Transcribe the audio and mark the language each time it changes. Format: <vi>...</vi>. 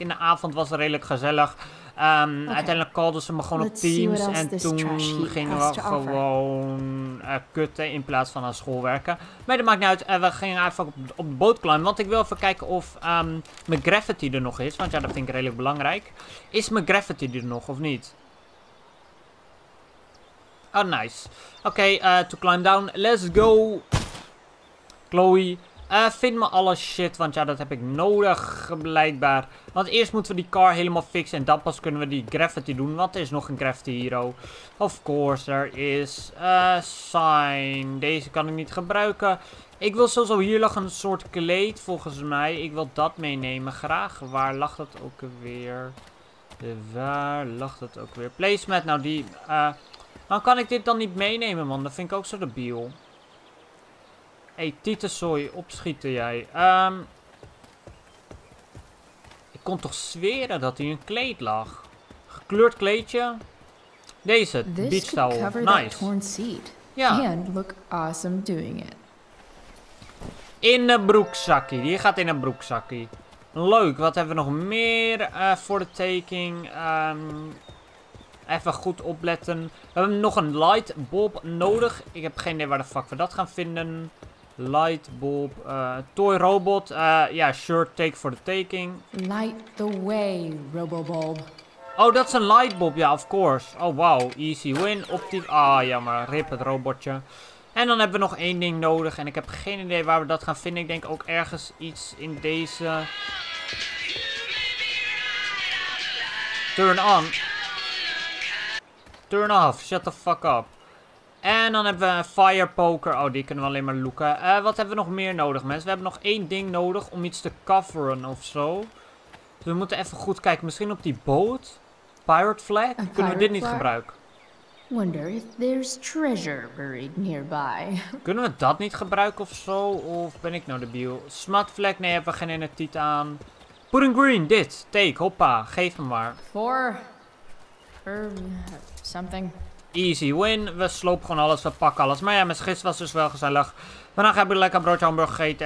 <nl>In de avond was het redelijk gezellig. Uiteindelijk callden ze me gewoon op Teams en toen gingen we gewoon kutten in plaats van aan school werken. Maar dat maakt niet uit, we gingen eigenlijk op de boot klimmen, want ik wil even kijken of mijn gravity er nog is, want ja, dat vind ik redelijk belangrijk. Is mijn gravity er nog of niet? Oh, nice.</nl> <en>Oké, to climb down, let's go.</en> <nl>Chloe. Vind me alle shit, want ja, dat heb ik nodig, blijkbaar. Want eerst moeten we die car helemaal fixen en dan pas kunnen we die gravity doen. Want er is nog een gravity hero. Of course, er is sign. Deze kan ik niet gebruiken. Ik wil sowieso, hier lag een soort kleed, volgens mij. Ik wil dat meenemen, graag. Waar lag dat ook weer? Waar lag dat ook weer? Placemat, nou die... Waarom kan ik dit dan niet meenemen, man? Dat vind ik ook zo debiel. Hey, Titusoi, opschieten jij. Ik kon toch zweren dat hij een kleed lag. Gekleurd kleedje. Deze, beach towel. Nice. Ja.</nl> <en>And look awesome doing it.</en> <nl>In een broekzakkie. Die gaat in een broekzakkie. Leuk. Wat hebben we nog meer voor de taking? Even goed opletten. We hebben nog een light bulb nodig. Ik heb geen idee waar de fuck we dat gaan vinden.</nl> <en>Light bulb, toy robot, yeah, sure, take for the taking. Light the way, robo bulb.</en> <nl>Oh, dat is een light bulb, ja, of course. Oh, wow, easy win, optief. Ah, jammer, rip het robotje. En dan hebben we nog één ding nodig en ik heb geen idee waar we dat gaan vinden. Ik denk ook ergens iets in deze.</nl> <en>Turn on. Turn off, shut the fuck up.</en> <nl>En dan hebben we een fire poker. Oh, die kunnen we alleen maar looken. Wat hebben we nog meer nodig, mensen? We hebben nog één ding nodig om iets te coveren of zo. Dus we moeten even goed kijken. Misschien op die boot? Pirate flag? Kunnen we dit niet gebruiken?</nl> <en>Wonder if there's treasure buried nearby.</en> <nl>Kunnen we dat niet gebruiken of zo? Of ben ik nou debiel? Smut flag? Nee, hebben we geen energie aan.</nl> <en>Put in green,</en> <nl>dit. Take, hoppa. Geef hem maar.</nl> <en>Four. Something.</en> <nl>Easy win. We slopen gewoon alles. We pakken alles. Maar ja, mijn gisteren was dus wel gezellig. Vandaag heb ik lekker broodje hamburger gegeten.</nl>